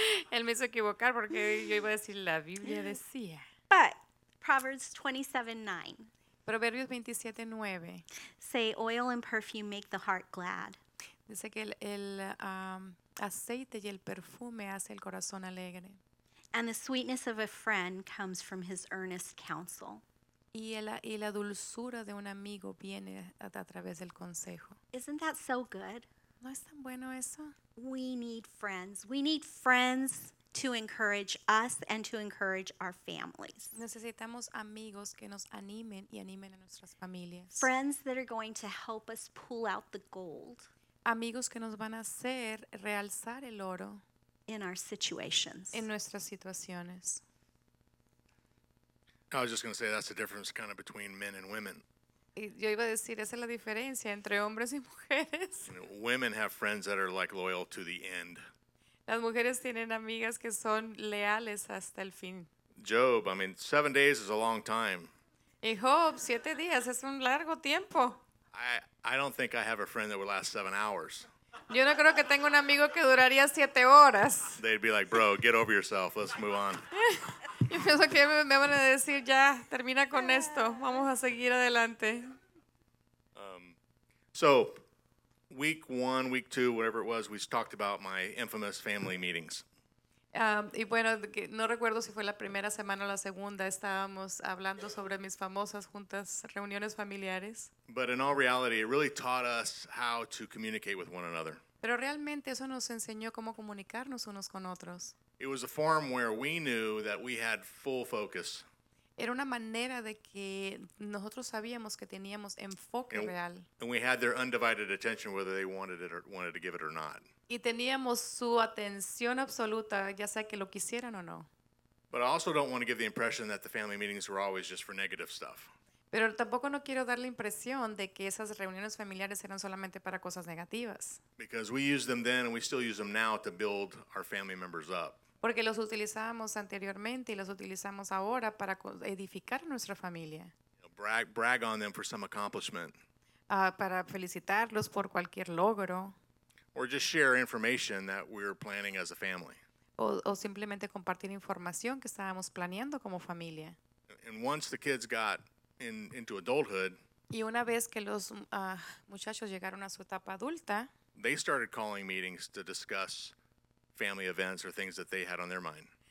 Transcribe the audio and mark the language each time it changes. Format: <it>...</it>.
<es>Él me hizo equivocar porque yo iba a decir la Biblia decía.</es> <en>But Proverbs 27:9.</en> <es>Proverbios 27:9.</es> <en>Say oil and perfume make the heart glad.</en> <es>Dice que el aceite y el perfume hace el corazón alegre.</es> <en>And the sweetness of a friend comes from his earnest counsel.</en> <es>Y la dulzura de un amigo viene a través del consejo.</es> <en>Isn't that so good?</en> <es>¿No es tan bueno eso?</es> <en>We need friends. We need friends to encourage us and to encourage our families.</en> <es>Necesitamos amigos que nos animen y animen a nuestras familias.</es> <en>Friends that are going to help us pull out the gold.</en> <es>Amigos que nos van a hacer realzar el oro.</es> <en>In our situations.</en> <es>En nuestras situaciones.</es> <en>I was just going to say that's the difference kind of between men and women.</en> <es>Yo iba a decir, esa es la diferencia entre hombres y mujeres.</es> <en>You know, women have friends that are like loyal to the end.</en> <es>Las mujeres tienen amigas que son leales hasta el fin.</es> <en>Job, I mean, 7 days is a long time.</en> <es>Y Job, 7 días es un largo tiempo.</es> <en>I don't think I have a friend that would last 7 hours.</en> <es>Yo no creo que tenga un amigo que duraría 7 horas.</es> <en>They'd be like, bro, get over yourself. Let's move on.</en> <es>Y pienso que me van a decir, ya, termina con esto. Vamos a seguir adelante.</es> <en>So, week one, week two, whatever it was, we talked about my infamous family meetings.</en> <es>Y bueno, no recuerdo si fue la primera semana o la segunda. Estábamos hablando sobre mis famosas juntas, reuniones familiares.</es> <en>But in all reality, it really taught us how to communicate with one another.</en> <es>Pero realmente eso nos enseñó cómo comunicarnos unos con otros.</es> <en>It was a forum where we knew that we had full focus.</en> <es>Era una manera de que nosotros sabíamos que teníamos enfoque real.</es> <en>And we had their undivided attention whether they wanted to give it or not.</en> <es>Y teníamos su atención absoluta, ya sea que lo quisieran o no.</es> <en>But I also don't want to give the impression that the family meetings were always just for negative stuff.</en> <es>Pero tampoco no quiero dar la impresión de que esas reuniones familiares eran solamente para cosas negativas.</es> <en>Because we used them then and we still use them now to build our family members up.</en> <es>Porque los utilizábamos anteriormente y los utilizamos ahora para edificar a nuestra familia.</es> <en>You know, brag on them for some accomplishment.</en> <es>Para felicitarlos por cualquier logro.</es> <en>Or just share information that we're planning as a family.</en> <es>O simplemente compartir información que estábamos planeando como familia.</es> <en>And once the kids got into adulthood,</en> <es>y una vez que los muchachos llegaron a su etapa adulta,</es> <en>they started calling meetings to discuss family events or things that they had on their mind.</en>